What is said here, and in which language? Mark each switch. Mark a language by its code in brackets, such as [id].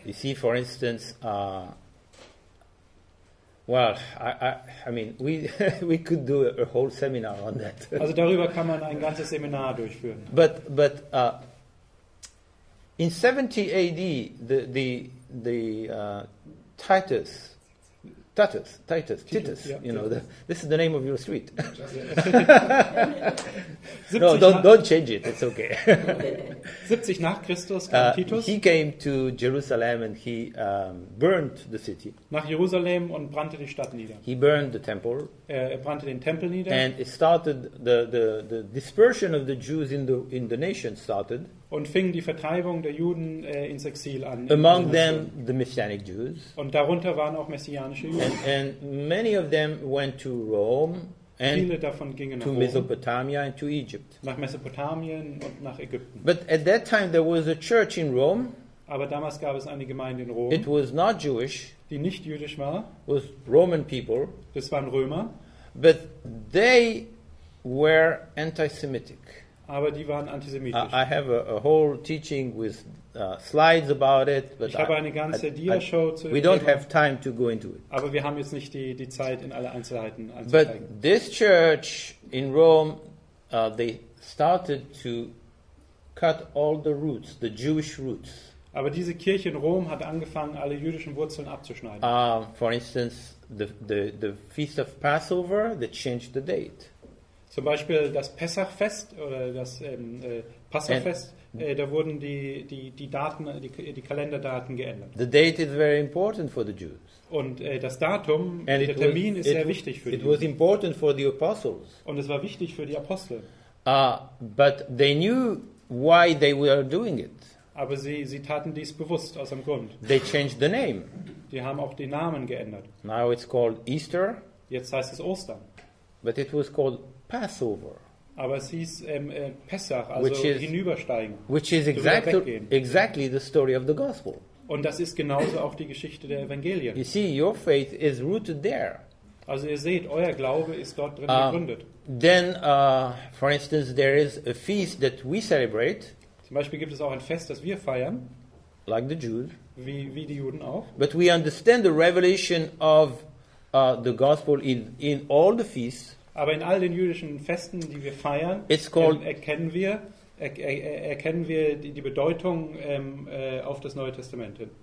[en] You see, for instance, well, I mean, we could do a whole seminar on that. [de] Also darüber kann man ein ganzes Seminar durchführen. [en] But in 70 AD, Titus, you know, this is the name of your street. No, don't change it, it's okay. [de] 70 nach Christus kam Titus. [en] He came to Jerusalem and he burned the city. [de] Nach Jerusalem und brannte die Stadt nieder. [en] He burned the temple. [de] Er brannte den Tempel nieder. [en] And it started, the dispersion of the Jews in the nation started. [de] Und fing die Vertreibung der Juden ins Exil an. [en] Among them, the Messianic Jews. [de] Und darunter waren auch messianische Juden. [en] And many of them went to Rome and [de] viele davon gingen [en] to Mesopotamia and to Egypt. [de] Nach Mesopotamien und nach Ägypten. [en] But at that time there was a church in Rome. [de] Aber damals gab es eine Gemeinde in Rom. [en] It was not Jewish. [de] Die nicht jüdisch war. [en] Was Roman people. [de] Das waren Römer. [en] But they were anti-Semitic. [de] Aber die waren antisemitisch. [en] I have a whole teaching with slides about it, but [de] ich habe eine ganze Diashow zu. [en] We don't have time to go into it. [de] Aber wir haben jetzt nicht die Zeit, in alle Einzelheiten einzugehen. [en] But this church in Rome, they started to cut all the roots, the Jewish roots. [de] Aber diese Kirche in Rom hat angefangen, alle jüdischen Wurzeln abzuschneiden. [en] For instance, the feast of Passover, they changed the date. [de] Zum Beispiel das Pessachfest oder das Passafest. Da wurden die Daten, die Kalenderdaten geändert. [en] The date is very important for the Jews. [de] Und das Datum, and der Termin was, ist sehr wichtig für die Juden. [en] It was important for the apostles. [de] Und es war wichtig für die Apostel. [en] But they knew why they were doing it. [de] Aber sie taten dies bewusst aus einem Grund. [en] They changed the name. [de] Die haben auch den Namen geändert. [en] Now it's called Easter. [de] Jetzt heißt es Ostern. [en] But it was called Passover. [de] Aber es hieß Pessach, also [en] which is, [de] hinübersteigen. [en] Which is exactly the story of the gospel. [de] Und das ist genauso auch die Geschichte der Evangelien. [en] You see, your faith is rooted there. [de] Also ihr seht, euer Glaube ist dort drin gegründet. [en] Then, for instance, there is a feast that we celebrate. [de] Zum Beispiel gibt es auch ein Fest, das wir feiern. [en] Like the Jews. [de] Wie die Juden auch. [en] But we understand the revelation of the gospel in all the feasts. [de] Aber in all den jüdischen Festen, die wir feiern, erkennen wir die Bedeutung auf das Neue Testament hin.